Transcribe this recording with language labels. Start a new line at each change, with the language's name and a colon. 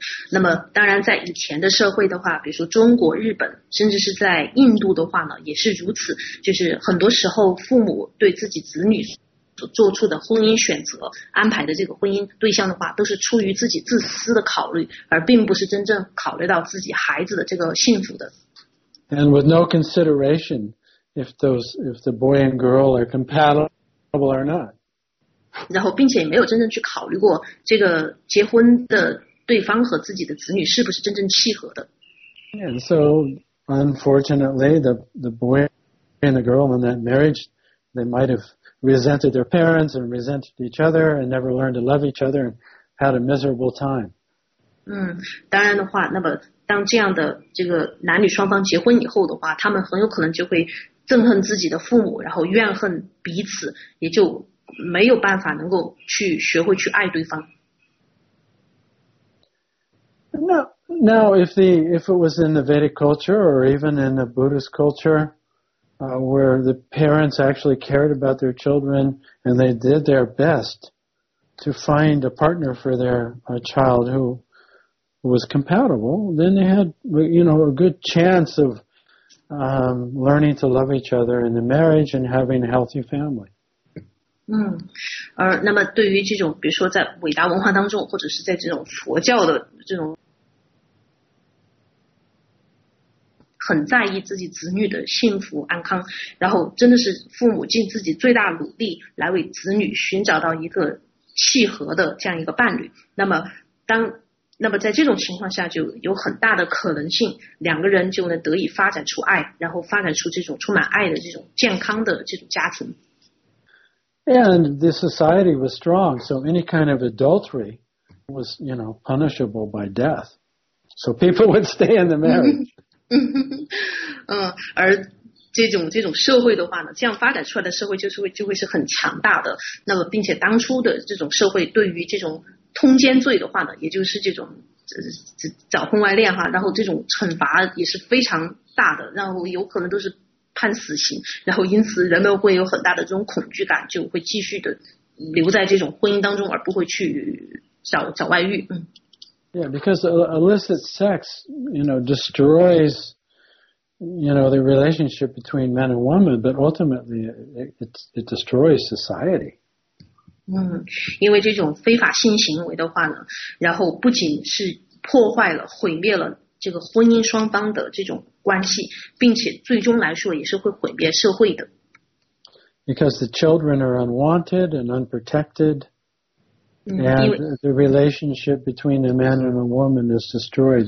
Chinese: 那么当然在以前的社会的话，比如说中国、日本，甚至是在印度的话呢，也是如此。就是很多时候父母对自己子女所做出的婚姻选择安排的这个婚姻对象的话，都是出于自己自私的考虑，而并不是真正考虑到自己孩子的这个幸福的。
English: And with no consideration if the boy and girl are compatible or not.
Chinese: 然后并且也没有真正去考虑过这个结婚的对方和自己的子女是不是真正契合的。
English: And so, unfortunately, the boy and the girl in that marriage, they might have resented their parents and resented each other and never learned to love each other and had a miserable time.
Chinese: 当然的话，那么当这样的这个男女双方结婚以后的话，他们很有可能就会憎恨自己的父母，然后怨恨彼此，也就没有办法能够去学会去爱对方。
English: Now, if it was in the Vedic culture or even in the Buddhist culture, where the parents actually cared about their children and they did their best to find a partner for their child who was compatible, then they had, a good chance of learning to love each other in the marriage and having a healthy family.
Chinese: 而那么对于这种，比如说在伟达文化当中，或者是在这种佛教的这种很在意自己子女的幸福安康，然后真的是父母尽自己最大努力来为子女寻找到一个契合的这样一个伴侣。那么在这种情况下就有很大的可能性两个人就能得以发展出爱，然后发展出这种充满爱的这种健康的这种家庭。
English: And the society was strong, so any kind of adultery was, punishable by death. So people would stay in the marriage.
Chinese: 而这种社会的话呢，这样发展出来的社会就会是很强大的。那么并且当初的这种社会对于这种通奸罪的话呢，也就是这种早婚外恋哈，然后这种惩罚也是非常大的，然后有可能都是判死刑，然后因此人们会有很大的这种恐惧感，就会继续的留在这种婚姻当中，而不会去找外遇。
English: Yeah, because illicit sex, destroys, the relationship between men and women, but ultimately it destroys society.
Chinese: 因为这种非法性行为的话呢，然后不仅是破坏了、毁灭了这个婚姻双方的这种关系，并且最终来说也是会毁灭社会的。
English: Because the children are unwanted and unprotected, and the relationship between a man and a woman is destroyed.